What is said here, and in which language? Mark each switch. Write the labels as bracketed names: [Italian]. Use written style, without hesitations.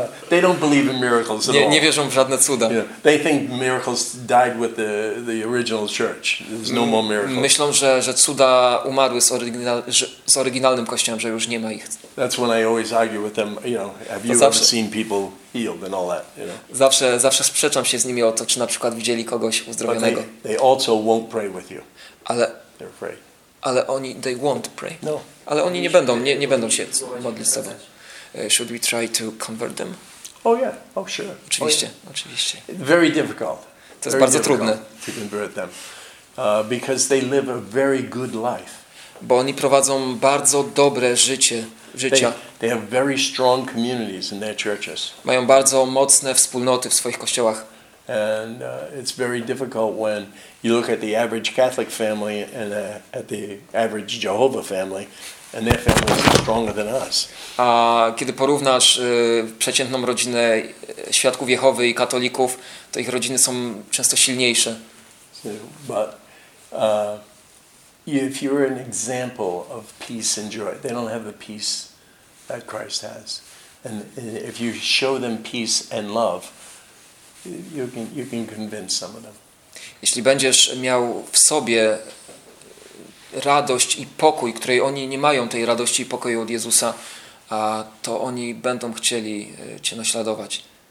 [English] They don't believe in miracles at all. [Polish] Nie wierzą w żadne cuda. [English] Yeah. They think miracles died with the original church. There's no more miracles. [Polish] Myślą, że cuda umarły z oryginalnym kościołem, że już nie ma ich. [English] That's when I always argue with them, you know, have you ever seen people healed and all that, you know? [Polish] Zawsze sprzeczam się z nimi o to, czy na przykład widzieli kogoś uzdrowionego. [English] But they also won't pray with you. They're afraid. [Polish] Ale oni, [English] they won't pray. No. [Polish] Ale oni nie będą się modlić sobie. [English] Should we try to convert them? Oh yeah, oh sure. [Polish] Oczywiście, oh, yeah. Oczywiście. [English] Very difficult. [Polish] To jest bardzo trudne. [English] To convert them. Because they live a very good life. [Polish] Bo oni prowadzą bardzo dobre życie. [English] They have very strong communities in their churches. [Polish] Mają bardzo mocne wspólnoty w swoich kościołach. [English] And it's very difficult when you look at the average Catholic family and at the average Jehovah family, And their families are stronger than us. [Polish] A kiedy porównasz przeciętną rodzinę Świadków Jehowy i katolików, to ich rodziny są często silniejsze. [English] So, but if you're an example of peace and joy, they don't have the peace that Christ has. And if you show them peace and love, you can convince some of them. [Polish] Jeśli będziesz miał w sobie radość i pokój, której oni nie mają, tej radości i pokoju od Jezusa, a to oni będą chcieli cię naśladować.